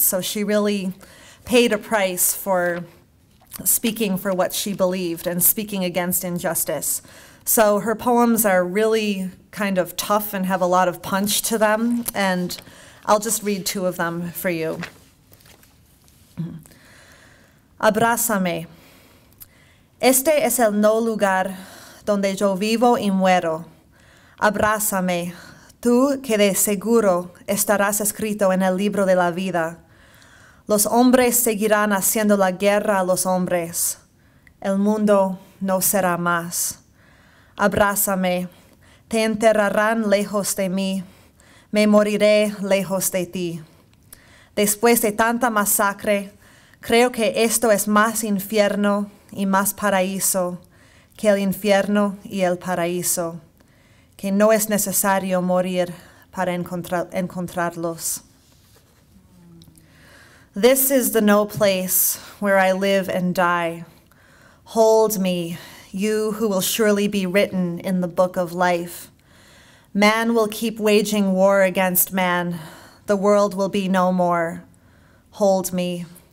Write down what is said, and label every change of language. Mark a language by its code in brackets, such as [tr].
[en] So she really paid a price for speaking for what she believed and speaking against injustice. So her poems are really kind of tough and have a lot of punch to them, and I'll just read two of them for you. [es] Abrázame. Este es el no lugar donde yo vivo y muero. Abrázame. Tú que de seguro estarás escrito en el libro de la vida. Los hombres seguirán haciendo la guerra a los hombres. El mundo no será más. Abrázame. Te enterrarán lejos de mí. Me moriré lejos de ti. Después de tanta masacre, creo que esto es más infierno y más paraíso que el infierno y el paraíso, que no es necesario morir para encontrarlos. [en] This is the no place where I live and die. Hold me, you who will surely be written in the book of life. Man will keep waging war against man. The world will be no more. Hold me.